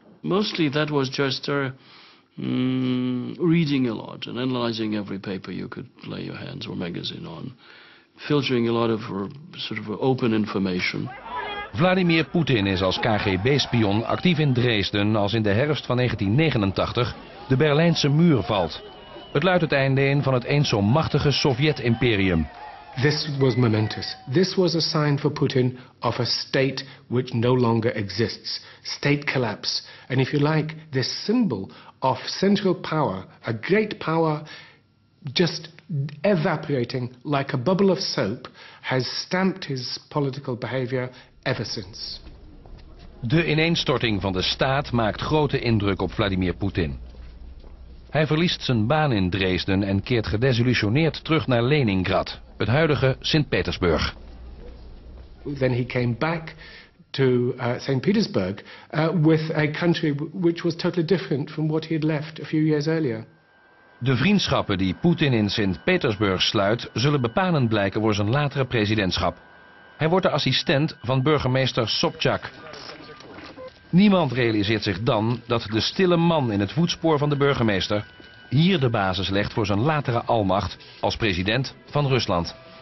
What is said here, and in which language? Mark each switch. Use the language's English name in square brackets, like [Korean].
[English] Mostly that was just reading a lot and analyzing every paper you could lay your hands or magazine on, filtering a lot of sort of open information. [Dutch] Vladimir Poetin is als KGB-spion actief in Dresden als in de herfst van 1989 de Berlijnse muur valt. Het luidt het einde in van het eens zo machtige Sovjet-imperium. [English] This was momentous. This was a sign for Putin of a state which no longer exists. State collapse. And if you like, this symbol of central power, a great power just evaporating like a bubble of soap has stamped his political behavior ever since. [Dutch] De ineenstorting van de staat maakt grote indruk op Vladimir Poetin. Hij verliest zijn baan in Dresden en keert gedesillusioneerd terug naar Leningrad, het huidige Sint-Petersburg. [English] Then he came back to St. Petersburg with a country which was totally different from what he had left a few years earlier. [Dutch] De vriendschappen die Poetin in Sint-Petersburg sluit, zullen bepalend blijken voor zijn latere presidentschap. Hij wordt de assistent van burgemeester Sobchak. Niemand realiseert zich dan dat de stille man in het voetspoor van de burgemeester hier de basis legt voor zijn latere almacht als president van Rusland.